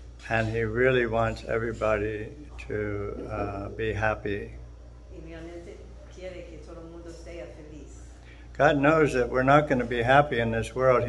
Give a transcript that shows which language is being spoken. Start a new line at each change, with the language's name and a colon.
English: And he really wants everybody to be happy.
Spanish: Y realmente quiere que todo el mundo esté feliz.
English: God knows that we're not going to be happy in this world.